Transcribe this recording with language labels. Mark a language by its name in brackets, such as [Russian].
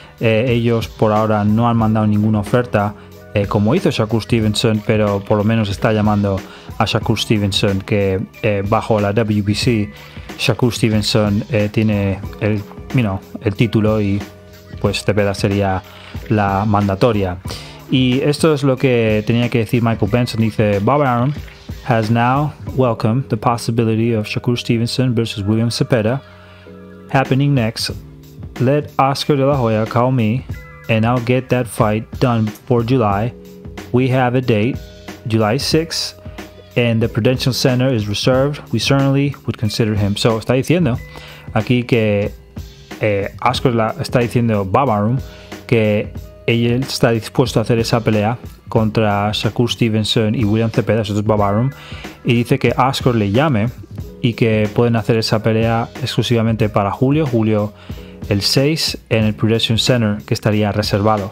[Spanish] Ellos por ahora no han mandado ninguna oferta, como hizo Shakur Stevenson, pero por lo menos está llamando a Shakur Stevenson, que bajo la WBC, Shakur Stevenson tiene el título, y pues Cepeda sería la mandatoria. Y esto es lo que tenía que decir Michael Benson. [English] Dice: Bob Arum has now welcomed the possibility of Shakur Stevenson versus William Cepeda happening next. Let Oscar De La Hoya call me and I'll get that fight done for July. We have a date, July 6, and the Prudential Center is reserved. We certainly would consider him. [Spanish] So está diciendo aquí que Oscar está diciendo Bob Arum que él está dispuesto a hacer esa pelea contra Shakur Stevenson y William Cepeda, eso es Bob Arum, y dice que Oscar le llame y que pueden hacer esa pelea exclusivamente para julio el 6 en el Prudential Center, que estaría reservado.